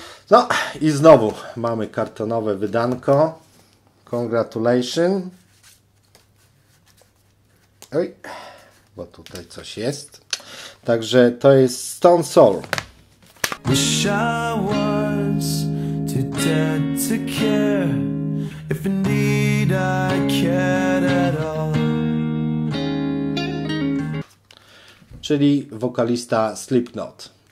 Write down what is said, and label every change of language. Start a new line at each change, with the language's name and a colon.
Polish: No i znowu mamy kartonowe wydanko, congratulations. Oj, bo tutaj coś jest. Także to jest Stone Soul.
English: Wish I was too dead to care, if indeed I cared at all.
Polish: Czyli wokalista Slipknot.